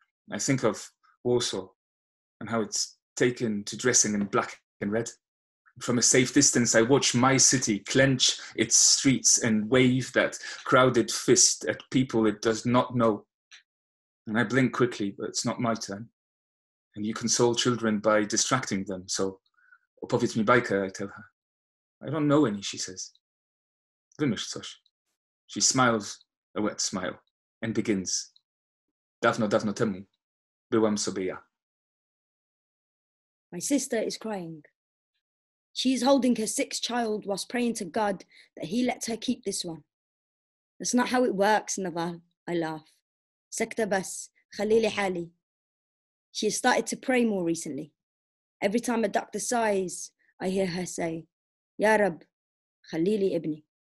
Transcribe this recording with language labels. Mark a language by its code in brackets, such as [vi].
[en] I think of Warsaw and how it's taken to dressing in black and red. From a safe distance, I watch my city clench its streets and wave that crowded fist at people it does not know. And I blink quickly, but it's not my turn. And you console children by distracting them. So, [pl] opowiedz mi bajkę, [en] I tell her. I don't know any, she says. [pl] Wymyśl coś. [en] She smiles a wet smile and begins. [pl] Dawno, dawno temu byłam sobie ja. [en] My sister is crying. She is holding her sixth child whilst praying to God that he lets her keep this one. That's not how it works, Naval, I laugh. [ar] Sekta bas, khalili hali. [en] She has started to pray more recently. Every time a doctor sighs, I hear her say, [ar] Ya Rab, khalili ibni.